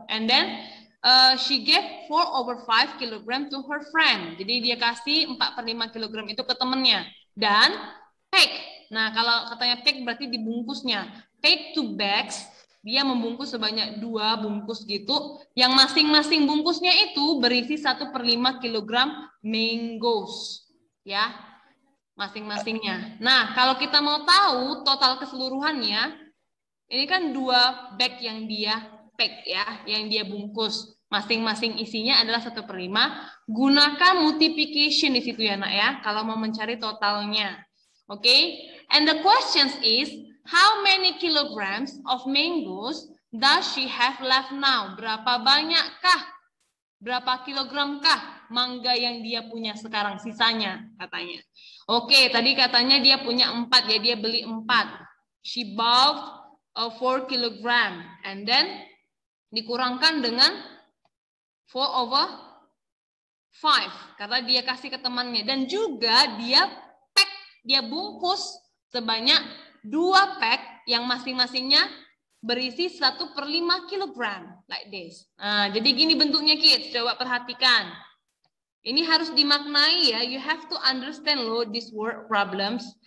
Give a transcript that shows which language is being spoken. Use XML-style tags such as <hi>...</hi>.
<en>And then she gave 4 over 5 kilogram to her friend.</en> <id>Jadi dia kasih 4/5 kilogram itu ke temannya. Dan pack. Nah, kalau katanya pack berarti dibungkusnya.</id> <en>Pack 2 bags.</en> <id>Dia membungkus sebanyak 2 bungkus gitu. Yang masing-masing bungkusnya itu berisi 1/5 kilogram mangoes. Ya. Masing-masingnya. Nah, kalau kita mau tahu total keseluruhannya, ini kan 2 bag yang dia pack ya, yang dia bungkus. Masing-masing isinya adalah 1/5. Gunakan multiplication di situ ya, Nak ya, kalau mau mencari totalnya. Oke? Okay?</id> <en>And the question is, how many kilograms of mangoes does she have left now?</en> <id>Berapa banyakkah? Berapa kilogramkah mangga yang dia punya sekarang sisanya katanya. Oke, okay, tadi katanya dia punya 4 ya, dia beli 4.</id> <en>She bought 4 kilogram</en> <id>and then dikurangkan dengan 4 over 5 karena dia kasih ke temannya dan juga dia pack, dia bungkus sebanyak 2 pack yang masing-masingnya berisi 1/5 kilogram</id> <en>like this.</en> <id>Nah, jadi gini bentuknya kids, coba perhatikan. Ini harus dimaknai ya,</id> <en>you have to understand lo this word problems.</en>